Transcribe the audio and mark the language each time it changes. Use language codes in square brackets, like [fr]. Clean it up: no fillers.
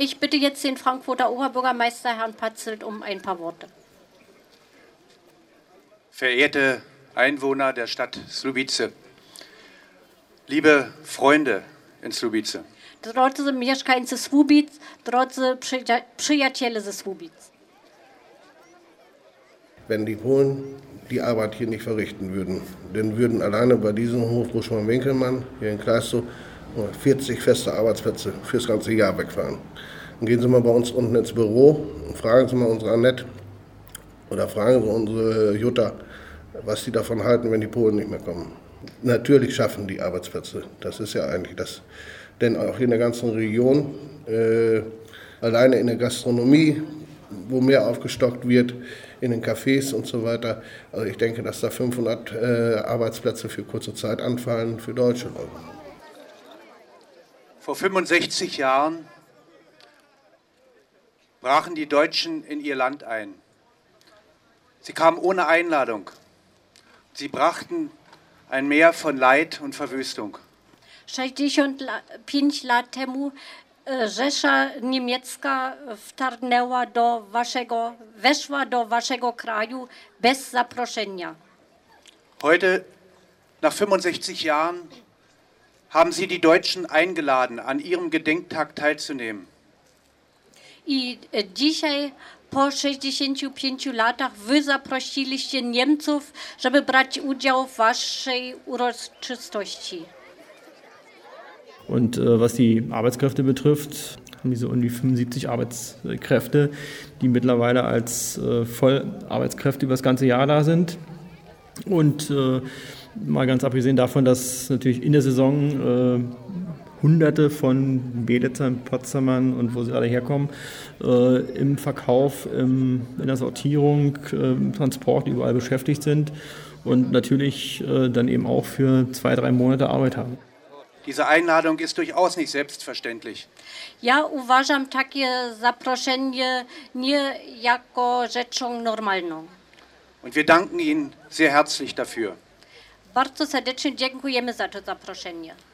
[de] Jetzt den Frankfurter Oberbürgermeister Herrn Patzelt um ein paar Worte. Verehrte Einwohner der Stadt Slubice, liebe Freunde in Slubice. [pl] Drodzy mieszkańcy Słubic, drodzy przyjaciele ze Słubic. [de] Wenn die Polen die Arbeit hier nicht verrichten würden, dann würden alleine bei diesem Hof Buschmann-Winkelmann hier in Kleistow 40 feste Arbeitsplätze fürs ganze Jahr wegfallen. Dann gehen Sie mal bei uns unten ins Büro und fragen Sie mal unsere Annette oder fragen Sie unsere Jutta, was die davon halten, wenn die Polen nicht mehr kommen. Natürlich schaffen die Arbeitsplätze, das ist ja eigentlich das. Denn auch in der ganzen Region, alleine in der Gastronomie, wo mehr aufgestockt wird, in den Cafés und so weiter. Also ich denke, dass da 500 Arbeitsplätze für kurze Zeit anfallen für deutsche Leute. Vor 65 Jahren brachen die Deutschen in ihr Land ein. Sie kamen ohne Einladung. Sie brachten ein Meer von Leid und Verwüstung. [pl] 65 lat temu Rzesza Niemiecka wtargnęła do waszego, weszła do waszego kraju bez zaproszenia. [de] Heute, nach 65 Jahren, haben sie die Deutschen eingeladen, an ihrem Gedenktag teilzunehmen. [pl] I dzisiaj, po 65 latach, wy zaprosiliście Niemców, żeby brać udział w waszej uroczystości. [de] Und was die Arbeitskräfte betrifft, haben diese irgendwie 75 Arbeitskräfte, die mittlerweile als Vollarbeitskräfte über das ganze Jahr da sind. Und mal ganz abgesehen davon, dass natürlich in der Saison Hunderte von Beditzern, Potsdamern und wo sie alle herkommen, im Verkauf, in der Sortierung, im Transport überall beschäftigt sind und natürlich dann eben auch für 2-3 Monate Arbeit haben. Diese Einladung ist durchaus nicht selbstverständlich. [pl] Ja, uważam takie zaproszenie nie jako rzeczą normalną. [de] Und wir danken Ihnen sehr herzlich dafür. [pl] Bardzo serdecznie dziękujemy za to zaproszenie.